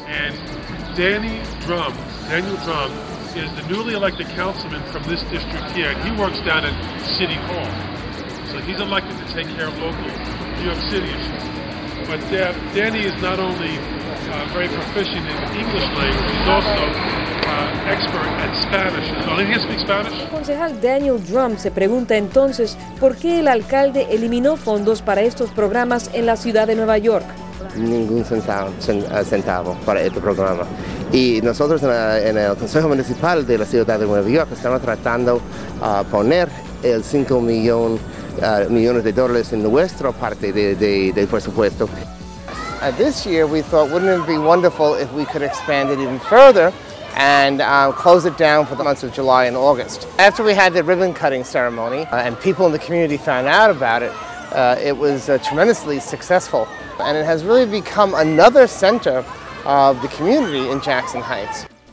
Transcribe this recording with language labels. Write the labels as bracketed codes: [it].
[en] And Daniel Drom, is the newly elected councilman from this district here, and he works down at City Hall. So he's elected to take care of local New York City issues. But Danny is not only very proficient in English language, he's also expert at Spanish. Well, he speaks Spanish. [es] Concejal Daniel Drom se pregunta entonces por qué el alcalde eliminó fondos para estos programas en la ciudad de Nueva York. Ningún centavo para este programa. Y nosotros en el Consejo Municipal de la ciudad de Nueva York estamos tratando de poner el 5 millones de dólares en nuestra parte de presupuesto. [en] This year we thought, wouldn't it be wonderful if we could expand it even further and close it down for the months of July and August. After we had the ribbon cutting ceremony and people in the community found out about it, it was tremendously successful. And it has really become another center of the community in Jackson Heights.